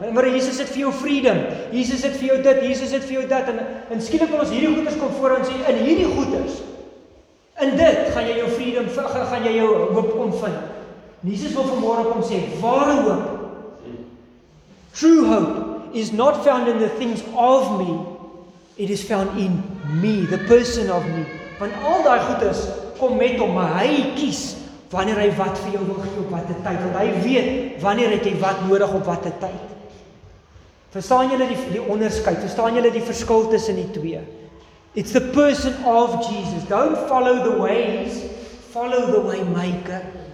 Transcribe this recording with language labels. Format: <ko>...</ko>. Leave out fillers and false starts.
<af>Maar Jesus het vir jou freedom, Jesus het vir jou dit, Jesus het vir jou dat, en skielik wil ons hierdie goeders kom voor en sê, in hierdie goeders, in dit gaan jy jou freedom, gaan jy jou hoop kom vind. En Jesus wil vanmôre kom sê, ware hoop,</af> <en>true hope, is not found in the things of me, it is found in me, the person of me.</en> <af>Want al daai goeders kom met hom, maar hy kies wanneer hy wat vir jou wil gee op watter tyd, want hy weet wanneer het jy wat nodig op watter tyd. Verstaan julle die onderskeid? Verstaan julle die verskil tussen die twee?</af> <en>It's the person of Jesus. Don't follow the ways, follow the way maker.</en>